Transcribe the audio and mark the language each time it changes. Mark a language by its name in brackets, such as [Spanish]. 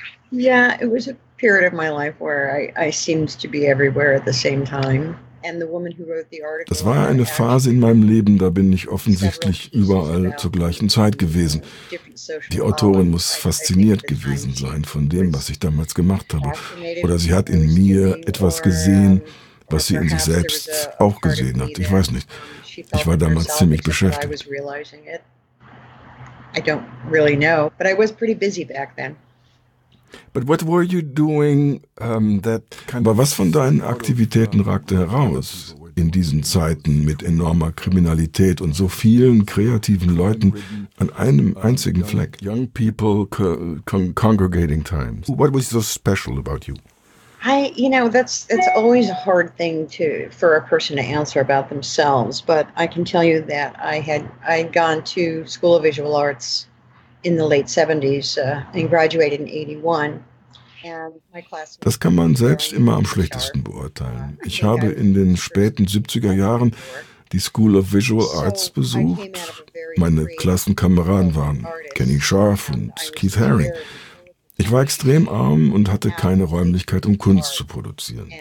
[English] Yeah, it was a period of my life where I seemed to be everywhere at the same time. And the woman who wrote the article. [German] Das war eine Phase in meinem Leben, da bin ich offensichtlich überall zur gleichen Zeit gewesen. Die Autorin muss fasziniert gewesen sein von dem, was ich damals gemacht habe. Oder sie hat in mir etwas gesehen, was sie in sich selbst auch gesehen hat. Ich weiß nicht. Ich war damals ziemlich beschäftigt. [English] I don't really know, but I was pretty busy back then. But what were you doing that kind of... [German] Aber was von deinen Aktivitäten ragte heraus in diesen Zeiten mit enormer Kriminalität und so vielen kreativen Leuten an einem einzigen Fleck? [English] Young people congregating times. What was so special about you? That's always a hard thing to for a person to answer about themselves, but I can tell you that I'd gone to School of Visual Arts in the late 70s and graduated in 81. [German] Das kann man selbst immer am schlechtesten beurteilen. Ich habe in den späten 70er Jahren die School of Visual Arts besucht. Meine Klassenkameraden waren Kenny Scharf und Keith Haring. Ich war extrem arm und hatte keine Räumlichkeit, um Kunst zu produzieren.